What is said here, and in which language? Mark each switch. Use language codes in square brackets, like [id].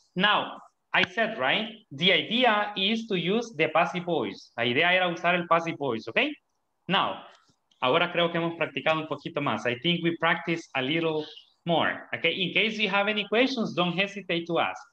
[en] Now, I said, right, the idea is to use the passive voice. [es] La idea era usar el passive voice, okay? Now, ahora creo que hemos practicado un poquito más. [en] I think we practice a little more, okay? In case you have any questions, don't hesitate to ask.